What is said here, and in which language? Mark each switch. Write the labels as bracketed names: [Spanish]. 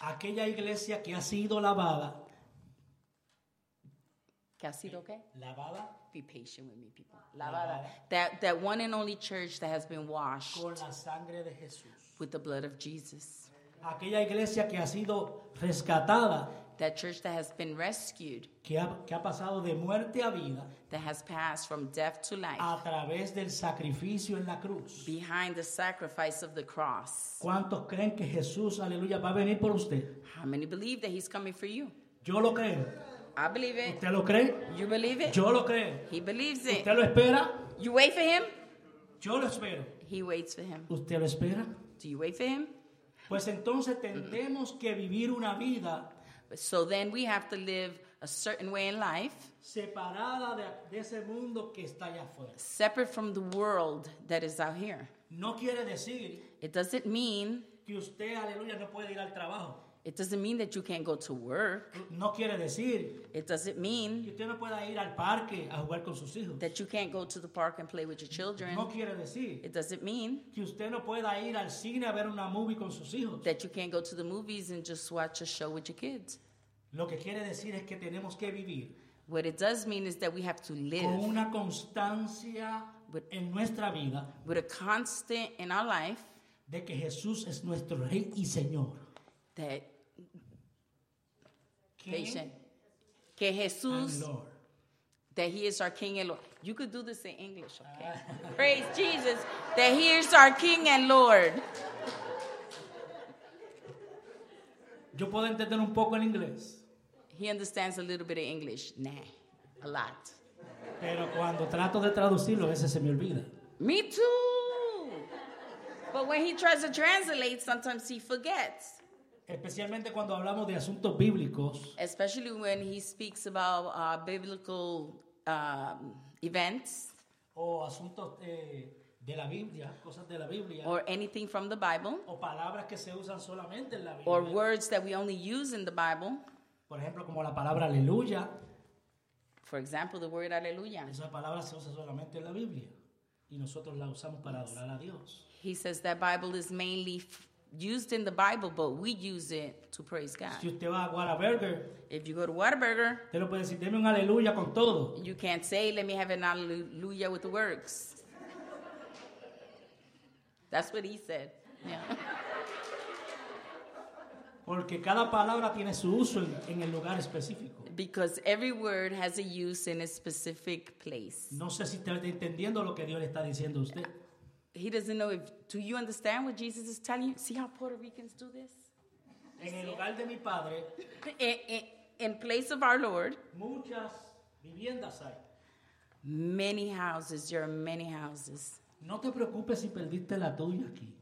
[Spanish] Aquella iglesia que ha sido lavada. ¿Qué ha sido qué? Lavada. [English] Be patient with me, people. Lavada. That one and only church that has been washed. [Spanish] Con la sangre de Jesús. [English] With the blood of Jesus. [Spanish] Aquella iglesia que ha sido rescatada. [English] That church that has been rescued. [Spanish] Que ha pasado de muerte a vida. [English] That has passed from death to life. [Spanish] A través del sacrificio en la cruz. [English] Behind the sacrifice of the cross. [Spanish] ¿Cuántos creen que Jesús, aleluya, va a venir por usted? [English] How many believe that he's coming for you? [Spanish] Yo lo creo. [English] I believe it. [Spanish] ¿Usted lo cree? [English] You believe it? [Spanish] Yo lo creo. [English] He believes it. [Spanish] ¿Usted lo espera? [English] You wait for him? [Spanish] Yo lo espero. [English] He waits for him. [Spanish] ¿Usted lo espera? [English] Do you wait for him? [Spanish] Pues entonces tendremos que vivir una vida. [English] So then we have to live a certain way in life. [Spanish] Separada de ese mundo que está allá afuera. [English] Separate from the world that is out here. [Spanish] No quiere decir. [English] It doesn't mean. [Spanish] Que usted, aleluya, no puede ir al trabajo. [English] It doesn't mean that you can't go to work. [Spanish] No quiere decir. [English] It doesn't mean. [Spanish] Que usted no pueda ir al parque a jugar con sus hijos. [English] That you can't go to the park and play with your children. [Spanish] No quiere decir. [English] It doesn't mean. [Spanish] Que usted no pueda ir al cine a ver una movie con sus hijos. [English] That you can't go to the movies and just watch a show with your kids. [Spanish] Lo que quiere decir es que tenemos que vivir. [English] What it does mean is that we have to live. [Spanish] Con una constancia with, en nuestra vida. [English] With a constant in our life. [Spanish] De que Jesús es nuestro Rey y Señor. [English] That patient. Que Jesús, that he is our King and Lord. You could do this in English, okay? Praise Jesus, that he is our King and Lord. [Spanish] Yo puedo entender un poco el inglés. [English] He understands a little bit of English. Nah, a lot. [Spanish] Pero cuando trato de traducirlo, a veces se me olvida. [English] Me too. But when he tries to translate, sometimes he forgets. [Spanish] Especialmente cuando hablamos de asuntos bíblicos. [English] Especially when he speaks about biblical events. [Spanish] O asuntos de la Biblia, cosas de la Biblia. [English] Or anything from the Bible. [Spanish] O palabras que se usan solamente en la Biblia. [English] Or words that we only use in the Bible. [Spanish] Por ejemplo, como la palabra aleluya. [English] For example, the word aleluya. [Spanish] Esa palabra se usa solamente en la Biblia. Y nosotros la usamos para adorar a Dios. [English] He says that Bible is mainly used in the Bible, but we use it to praise God. [Spanish] Si usted va a Whataburger, [English] if you go to Whataburger, [Spanish] usted lo puede decir, deme un aleluya con todo. [English] You can't say, let me have an aleluya with the works. That's what he said. Yeah. [Spanish] Porque cada palabra tiene su uso en el lugar específico. [English] Because every word has a use in a specific place. [Spanish] No sé si está entendiendo lo que Dios le está diciendo a usted. [English] He doesn't know if, do you understand what Jesus is telling you? See how Puerto Ricans do this? [Spanish] En el hogar de mi padre, [English] in place of our Lord, [Spanish] muchas viviendas hay. [English] Many houses, there are many houses. [Spanish] No te preocupes si perdiste la tuya aquí.